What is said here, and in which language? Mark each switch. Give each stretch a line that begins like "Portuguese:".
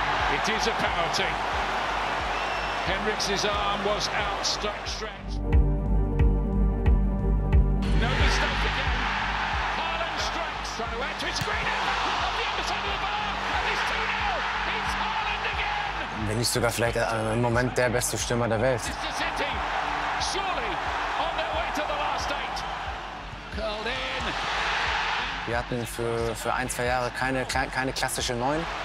English: It is a penalty. Henrik's arm was out, stuck, stretched. No mistake again. Haaland strikes, trying to add to his green end. On the other side of the bar, and it's 2-0. It's Haaland again.
German: Wenn nicht sogar vielleicht im Moment der beste Stürmer der Welt.
English: Manchester City, surely on their way to the last eight. Curled in.
German: Wir hatten für ein, zwei Jahre keine klassische Neun.